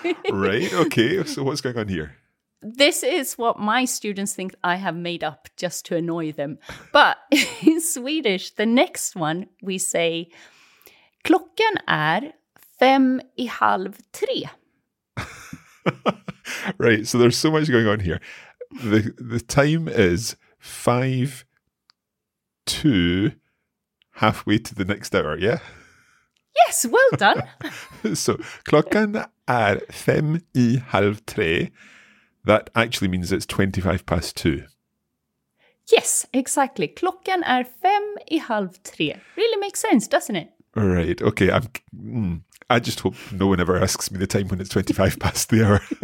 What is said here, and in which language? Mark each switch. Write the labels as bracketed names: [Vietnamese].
[English] Right, okay, so what's going on here? This is what my students think I have made up just to annoy them. But in Swedish, the next one we say, [Swedish] klockan är fem i halv tre. [English] Right, so there's so much going on here. The time is 5:02. Halfway to the next hour, yeah? Yes, well done. [Swedish] So, klockan är fem i halv tre. [English] That actually means it's 25 past two. Yes, exactly. [Swedish] Klockan är fem i halv tre. [English] Really makes sense, doesn't it? Right, okay. I just hope no one ever asks me the time when it's 25 past the hour.